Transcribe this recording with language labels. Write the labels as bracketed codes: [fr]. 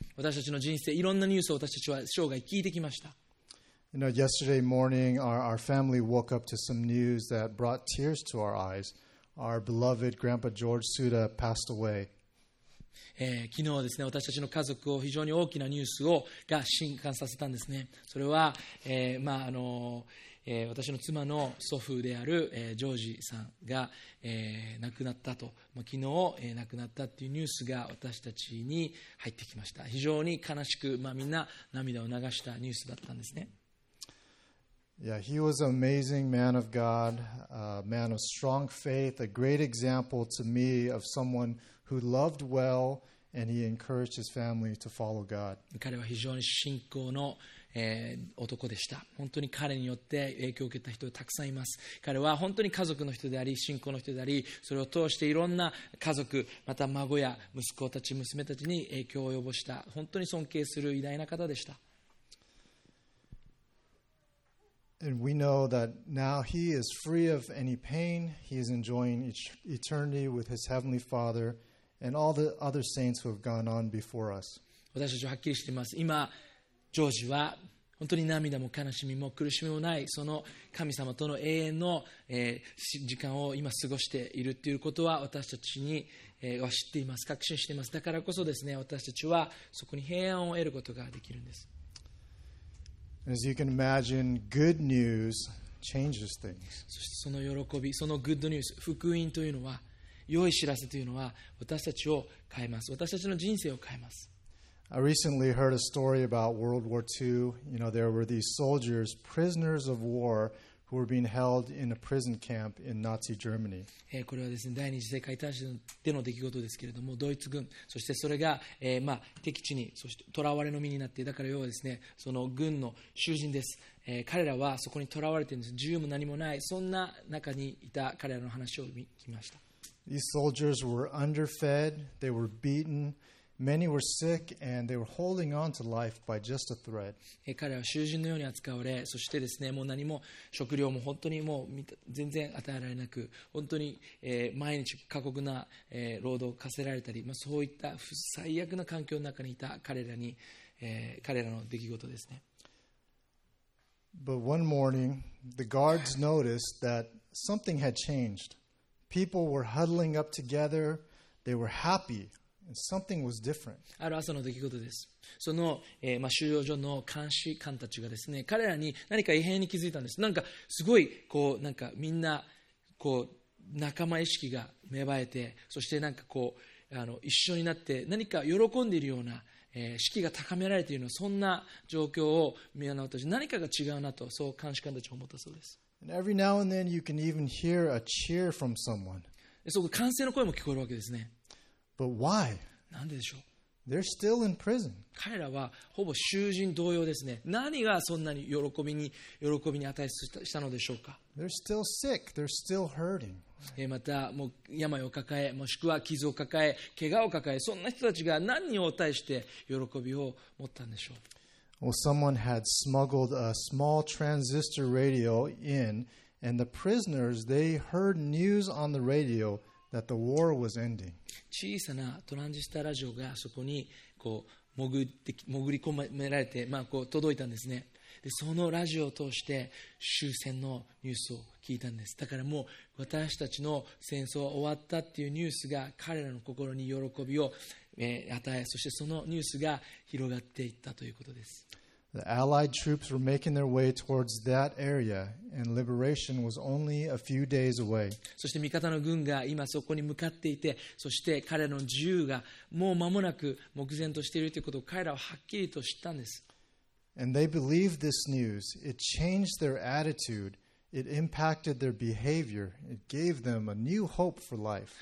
[ja] 私たちの人生、いろんなニュースを私たちは生涯聞いてきました。 [en] You know, yesterday morning, our family woke up to some news that brought tears to our eyes. Our beloved Grandpa George Suda passed away. [ja] 昨日ですね、私たちの家族を非常に大きなニュースをが震撼させたんですね。それは、私の妻の祖父である、ジョージさんが、亡くなったと、まあ、昨日、亡くなったというニュースが私たちに入ってきました。非常に悲しく、まあ、みんな涙を流したニュースだったんですね。 [en] Yeah, he was an amazing man of God, a man of strong faith, a great example to me of someone who loved well and he encouraged his family to follow God. [ja] 彼は非常に信仰の男でした。本当に彼によって影響を受けた人がたくさんいます。彼は本当に家族の人であり、信仰の人であり、それを通していろんな家族、また孫や息子たち、娘たちに影響を及ぼした。本当に尊敬する偉大な方でした。 [en] And we know that now he is free of any pain. He is enjoying eternity with his heavenly Father and all the other saints who have gone on before us. [ja] 私たちははっきりしています。今ジョージは本当に涙も悲しみも苦しみもないその神様との永遠の、時間を今過ごしているということは私たちに、は知っています。確信しています。だからこそですね、私たちはそこに平安を得ることができるんです。 [en] As you can imagine, good news changes things. [ja] そしてその喜び、そのグッドニュース、福音というのは、良い知らせというのは私たちを変えます。私たちの人生を変えます。 [en] I recently heard a story about World War II. You know, there were these soldiers, prisoners of war, who were being held in a prison camp in Nazi Germany. [ja] これはですね、第二次世界大戦での出来事ですけれども、ドイツ軍、そしてそれが、まあ、敵地に、そして囚われの身になって、だから要はですね、その軍の囚人です。彼らはそこに囚われているんです。自由も何もない、そんな中にいた彼らの話を聞きました。 [en] These soldiers were underfed, they were beaten. Many were sick and they were holding on to life by just a thread. [ja] 彼は囚人のように扱われ、そしてですね、もう何も食料も本当にもう全然与えられなく、本当に、毎日過酷な、労働を課せられたり、まあ、そういった最悪な環境の中にいた彼らに、彼らの出来事ですね。 [en] But one morning, the guards noticed that something had changed. People were huddling up together. They were happy. Something was different. [ja] ある朝の出来事です。その、まあ、収容所の監視官たちがですね、彼らに何か異変に気づいたんです。なんかすごいこうなんかみんなこう仲間意識が芽生えて、そしてなんかこう一緒になって何か喜んでいるような、士気が高められているような、そんな状況を見習うと、何かが違うなと、そう監視官たちは思ったそうです。 [en] And every now and then you can even hear a cheer from someone. [ja] そこ歓声の声も聞こえるわけですね。 [en] But why? [ja] なんででしょう? [en] They're still in prison. [ja] 彼らはほぼ囚人同様ですね。何がそんなに喜びに値したのでしょうか? [en] They're still sick. They're still hurting. [ja] またもう病を抱え、もしくは傷を抱え、怪我を抱え、そんな人たちが何を対して喜びを持ったんでしょう? [en] Well, someone had smuggled a small transistor radio in, and the prisoners, they heard news on the radio. That the war was ending. [ja] 小さなトランジスタラジオがそこにこう 潜り込められて、まあ、こう届いたんですね。で、そのラジオを通して終戦のニュースを聞いたんです。だからもう私たちの戦争は終わったっていうニュースが彼らの心に喜びを与え、そしてそのニュースが広がっていったということです。 [en] The Allied troops were making their way towards that area, and liberation was only a few days away. [ja] そして味方の軍が今そこに向かっていて、そして彼の自由がもう間もなく目前としているということを彼らははっきりと知ったんです。 [en] And they believed this news. It changed their attitude. It impacted their behavior. It gave them a new hope for life.